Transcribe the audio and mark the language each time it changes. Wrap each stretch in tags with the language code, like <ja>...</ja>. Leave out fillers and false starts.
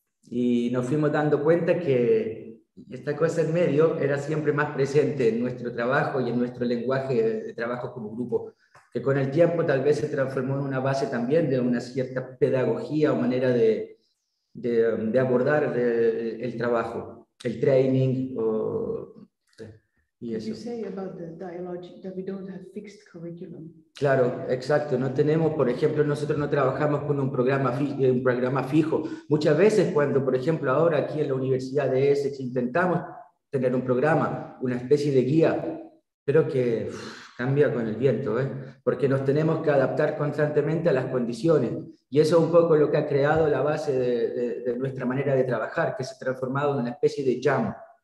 <es>Y nos fuimos dando cuenta que esta cosa en medio era siempre más presente en nuestro trabajo y en nuestro lenguaje de trabajo como grupo, que con el tiempo tal vez se transformó en una base también de una cierta pedagogía o manera de abordar el trabajo, el training o...</es> <en>Yes. You say about the dialogue that we don't have fixed curriculum.</en> <es>Claro, exacto. No tenemos, por ejemplo, nosotros no trabajamos con un programa fijo. Muchas veces cuando, por ejemplo, ahora aquí en la Universidad de Essex intentamos tener un programa, una especie de guía, pero que cambia con el viento, ¿eh? Porque nos tenemos que adaptar constantemente a las condiciones. Y eso es un poco lo que ha creado la base de nuestra manera de trabajar, que se ha transformado en una especie de jam.</es>